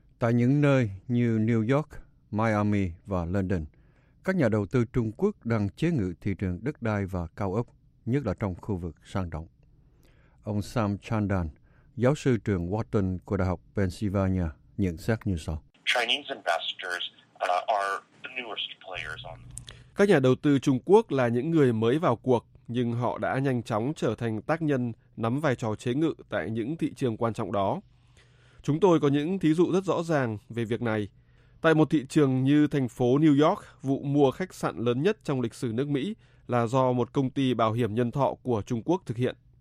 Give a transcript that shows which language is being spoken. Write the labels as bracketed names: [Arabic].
[Vietnamese] Tại những nơi như New York, Miami và London, các nhà đầu tư Trung Quốc đang chế ngự thị trường đất đai và cao ốc, nhất là trong khu vực sang trọng. Ông Sam Chandan, giáo sư trường Wharton của Đại học Pennsylvania, nhận xét như sau. [English] Chinese investors are the newest players on. [Vietnamese] Các nhà đầu tư Trung Quốc là những người mới vào cuộc, nhưng họ đã nhanh chóng trở thành tác nhân nắm vai trò chế ngự tại những thị trường quan trọng đó. Chúng tôi có những thí dụ rất rõ ràng về việc này. Tại một thị trường như thành phố New York, vụ mua khách sạn lớn nhất trong lịch sử nước Mỹ là do một công ty bảo hiểm nhân thọ của Trung Quốc thực hiện.